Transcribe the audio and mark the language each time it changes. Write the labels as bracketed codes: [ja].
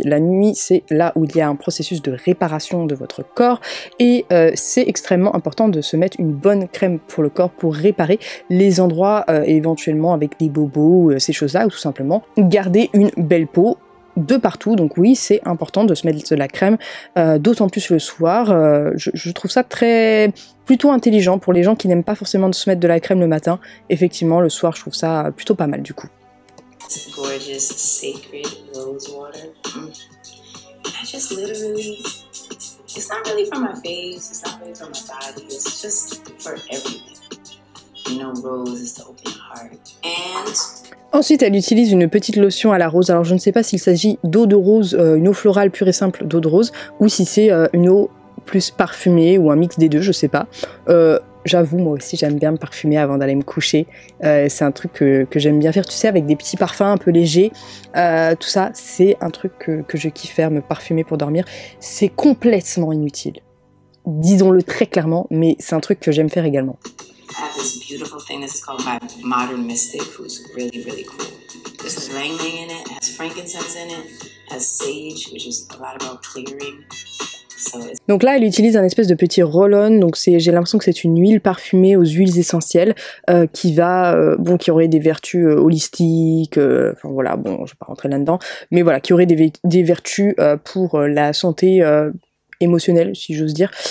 [fr] La nuit, c'est là où il y a un processus de réparation de votre corps, et c'est extrêmement important de se mettre une bonne crème pour le corps pour réparer les endroits éventuellement avec des bobos, ces choses-là, ou tout simplement garder une belle peau de partout. Donc oui, c'est important de se mettre de la crème, d'autant plus le soir. Je trouve ça très plutôt intelligent pour les gens qui n'aiment pas forcément de se mettre de la crème le matin. Effectivement, le soir, je trouve ça plutôt pas mal du coup. [en] Gorgeous, sacred rose water. I just literally, it's not really for my face, it's not really for my body, it's just for everything. You know, rose is the open heart. And... [fr] Ensuite, elle utilise une petite lotion à la rose. Alors, je ne sais pas s'il s'agit d'eau de rose, une eau florale pure et simple d'eau de rose, ou si c'est une eau plus parfumée ou un mix des deux, je ne sais pas. J'avoue, moi aussi, j'aime bien me parfumer avant d'aller me coucher. C'est un truc que j'aime bien faire, tu sais, avec des petits parfums un peu légers. Tout ça, c'est un truc que je kiffe faire, me parfumer pour dormir. C'est complètement inutile. Disons-le très clairement, mais c'est un truc que j'aime faire également. [en] I have this beautiful thing, this is called my modern mystic, who's really, really cool. This is ylang ylang in it, it has frankincense in it, it has sage, which is a lot about clearing. [fr] Donc là, elle utilise un espèce de petit roll-on. Donc c'est, j'ai l'impression que c'est une huile parfumée aux huiles essentielles qui va, bon, qui aurait des vertus holistiques. Enfin voilà, bon, je vais pas rentrer là-dedans, mais voilà, qui aurait des vertus pour la santé émotionnelle, si j'ose dire.